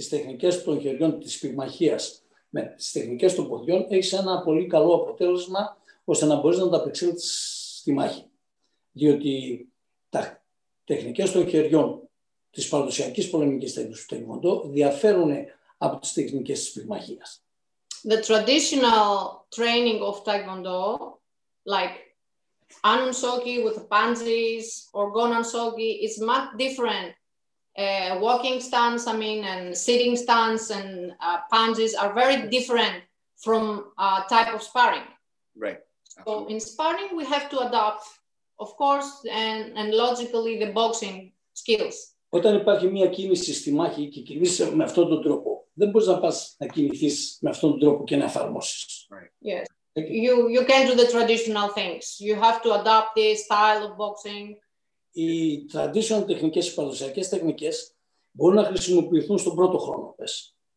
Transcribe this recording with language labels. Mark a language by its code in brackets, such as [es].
[el] τις τεχνικές των χεριών, της πυγμαχίας με τις τεχνικές των ποδιών, έχεις ένα πολύ καλό αποτέλεσμα ώστε να μπορείς να τα απεξέλθεις στη μάχη. Διότι τα τεχνικές των χεριών της παραδοσιακής πολεμικής τέχνης του Taekwondo διαφέρουν από τις τεχνικές της πυγμαχίας. [en] The traditional training of Taekwondo, like Anunsoki with the punches or Gonansoki, is much different. Walking stance, I mean, and sitting stance and punches are very different from type of sparring. Right. Absolutely. So in sparring, we have to adapt, of course, and logically the boxing skills. [el] Όταν υπάρχει μια κίνηση στη μάχη και κινείσαι με αυτόν τον τρόπο, δεν μπορείς να πας να κινηθείς με αυτόν τον τρόπο και να εφαρμόσεις. [en] Yes. Okay. You can't do the traditional things. You have to adapt the style of boxing. [el] Οι traditional τεχνικές, οι παραδοσιακές τεχνικές μπορούν να χρησιμοποιηθούν στον πρώτο χρόνο, πες.